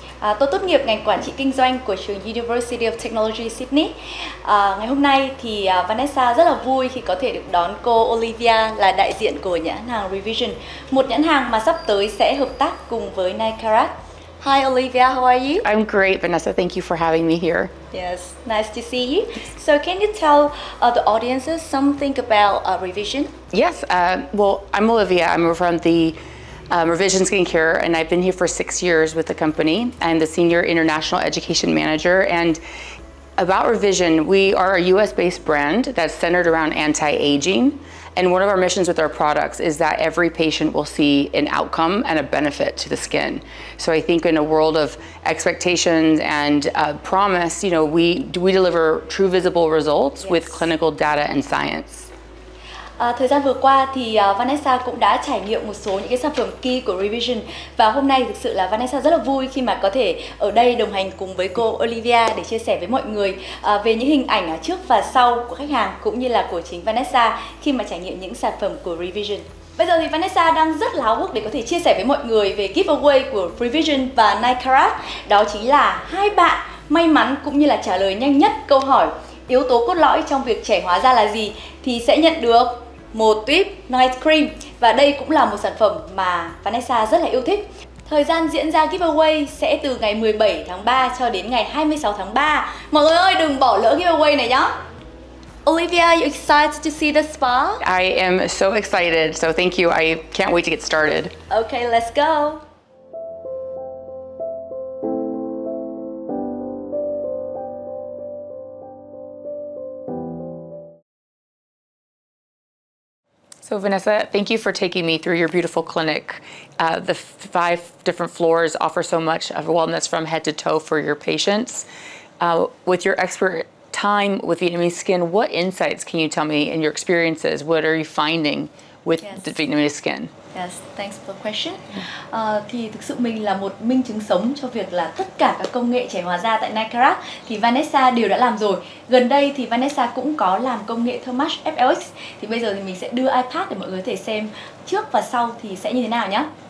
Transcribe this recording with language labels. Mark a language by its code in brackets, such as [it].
[vi] Tôi tốt nghiệp ngành quản trị kinh doanh của trường University of Technology Sydney. Ngày hôm nay thì Vanessa rất là vui khi có thể được đón cô Olivia là đại diện của nhãn hàng Revision, một nhãn hàng mà sắp tới sẽ hợp tác cùng với Night Craft. [en] Hi Olivia, how are you? I'm great, Vanessa. Thank you for having me here. Yes, nice to see you. So can you tell the audiences something about Revision? Yes, well, I'm Olivia. I'm from the Revision Skincare, and I've been here for 6 years with the company. I'm the Senior International Education Manager. And about Revision, we are a US-based brand that's centered around anti-aging. And one of our missions with our products is that every patient will see an outcome and a benefit to the skin. So I think in a world of expectations and promise, you know, we deliver true visible results. Yes. With clinical data and science. [vi] Thời gian vừa qua thì Vanessa cũng đã trải nghiệm một số những cái sản phẩm key của Revision. Và hôm nay thực sự là Vanessa rất là vui khi mà có thể ở đây đồng hành cùng với cô Olivia để chia sẻ với mọi người về những hình ảnh trước và sau của khách hàng cũng như là của chính Vanessa khi mà trải nghiệm những sản phẩm của Revision. Bây giờ thì Vanessa đang rất là háo hức để có thể chia sẻ với mọi người về giveaway của Revision và Night Craft. Đó chính là hai bạn may mắn cũng như là trả lời nhanh nhất câu hỏi yếu tố cốt lõi trong việc trẻ hóa da là gì thì sẽ nhận được một tuýp night cream. Và đây cũng là một sản phẩm mà Vanessa rất là yêu thích. Thời gian diễn ra giveaway sẽ từ ngày 17 tháng 3 cho đến ngày 26 tháng 3. Mọi người ơi, đừng bỏ lỡ giveaway này nhá. [en] Olivia, are you excited to see the spa? I am so excited, so thank you. I can't wait to get started. Okay, let's go. So Vanessa, thank you for taking me through your beautiful clinic. The five different floors offer so much of wellness from head to toe for your patients. With your expert time with Vietnamese skin, what insights can you tell me in your experiences? What are you finding with the Vietnamese skin? Yes, thanks for the question. [vi] Thì thực sự mình là một minh chứng sống cho việc là tất cả các công nghệ trẻ hóa da tại Night Craft thì Vanessa đều đã làm rồi. Gần đây thì Vanessa cũng có làm công nghệ Thermage FLX. Thì bây giờ thì mình sẽ đưa iPad để mọi người có thể xem trước và sau thì sẽ như thế nào nhé.